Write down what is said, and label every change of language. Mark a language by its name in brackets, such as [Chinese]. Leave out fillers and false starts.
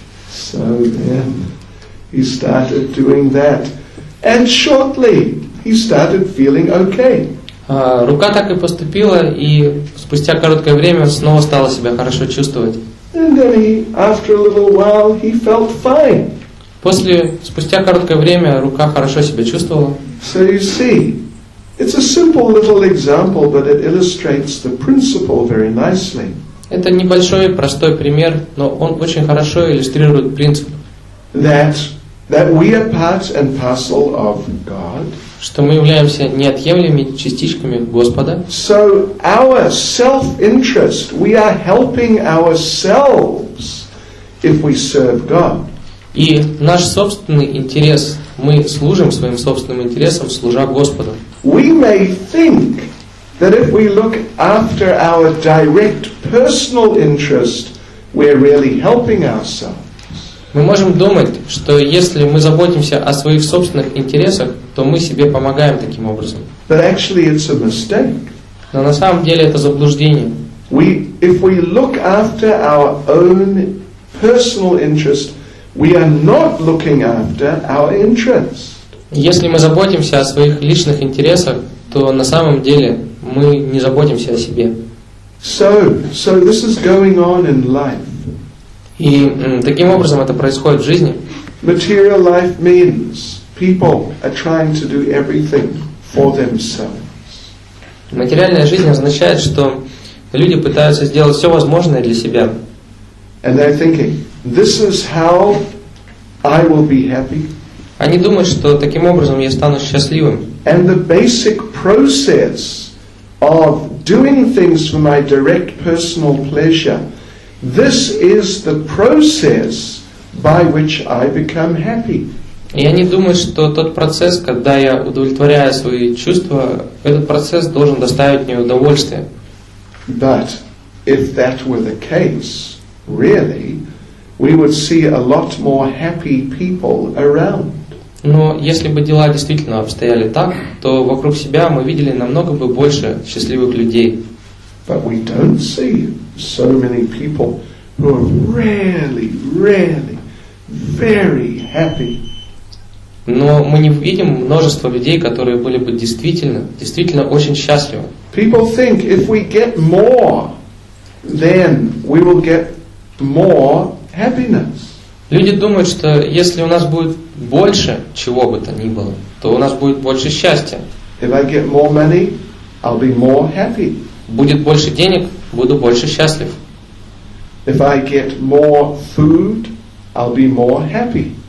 [English] So then he started doing that, and shortly he started feeling okay. [Russian] Рука так и поступила, и спустя короткое время снова стала себя хорошо чувствовать. [English] And then he, after a little while, he felt fine. [Russian] После, спустя короткое время, рука хорошо себя чувствовала. [English] So you see, it's a simple little example, but it illustrates the principle very nicely. [Russian] Это небольшой, простой пример, но он очень хорошо иллюстрирует принцип. [English] That we are part and parcel of God. [Russian] Что мы являемся неотъемлемыми частичками Господа. [English] So our self-interest, we are helping ourselves if we serve God. [Russian] И наш собственный интерес, мы служим своим собственным интересам, служа Господу. [English] We may think that if we look after our direct personal interest, we're really helping ourselves. [Russian] Мы можем думать, что если мы заботимся о своих собственных интересах, то мы себе помогаем таким образом. [English] But actually it's a mistake. [Russian] Но на самом деле это заблуждение. [English] If we look after our own personal interest, we are not looking after our interests. [Russian] Если мы заботимся о своих личных интересах, то на самом деле мы не заботимся о себе. [English] So this is going on in life. [Russian] И таким образом это происходит в жизни. [English] Material life means people are trying to do everything for themselves. [Russian] Материальная жизнь означает, что люди пытаются сделать все возможное для себя. [English] And they're thinking, this is how I will be happy. [Russian] Они думают, что таким образом я стану счастливым. [English] And the basic process of doing things for my direct personal pleasure. This is the process by which I become happy. [Russian] Я не думаю, что тот процесс, когда я удовлетворяю свои чувства, этот процесс должен доставить мне удовольствие. [English] But if that were the case, really, we would see a lot more happy people around. [Russian] Но если бы дела действительно обстояли так, то вокруг себя мы видели намного бы больше счастливых людей. [English] But we don't see so many people who are really, really, very happy. [Russian] Но мы не видим множество людей, которые были бы действительно очень счастливы. [English] People think if we get more, then we will get more happiness. [Russian] Люди думают, что если у нас будет больше чего бы то ни было, то у нас будет больше счастья. [English] If I get more money, I'll be more happy. [Russian] Будет больше денег, буду больше счастлив. [English] If I get more food, I'll be more happy.